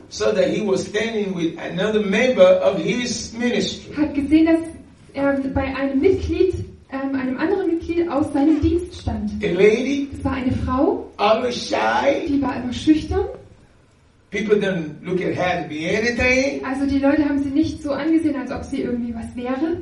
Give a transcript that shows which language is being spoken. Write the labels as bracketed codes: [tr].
[en] saw that he was standing with another member of his ministry. [de] Hat gesehen, dass er bei einem Mitglied, einem anderen Mitglied aus seinem Dienst stand. [en] A lady, [de] es war eine Frau, [en] always shy, [de] die war immer schüchtern. [en] People don't look at her to be anything. [de] Also die Leute haben sie nicht so angesehen, als ob sie irgendwie was wäre.